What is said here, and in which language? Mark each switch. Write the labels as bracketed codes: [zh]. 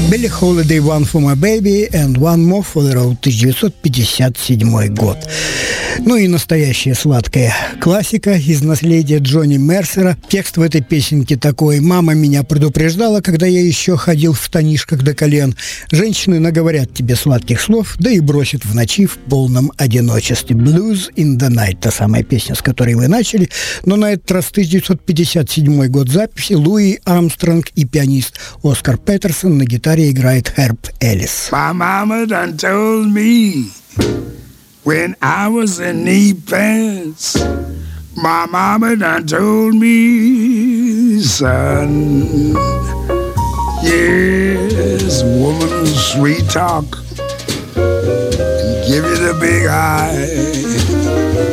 [ru] Holiday, One for My Baby and One More for the Road, 1957 год. Ну и настоящая сладкая классика из наследия Джонни Мерсера. Текст в этой песенке такой: «Мама меня предупреждала, когда я еще ходил в штанишках до колен. Женщины наговорят тебе сладких слов, да и бросят в ночи в полном одиночестве». «Blues in the Night» – та самая песня, с которой мы начали. Но на этот раз 1957 год записи. Луи Армстронг и пианист Оскар Петерсон, на гитаре играет Херб Эллис. [en] «My mama done told me». When I was in knee pants, my mama done told me, son, yes, woman, sweet talk, and give you the big eye.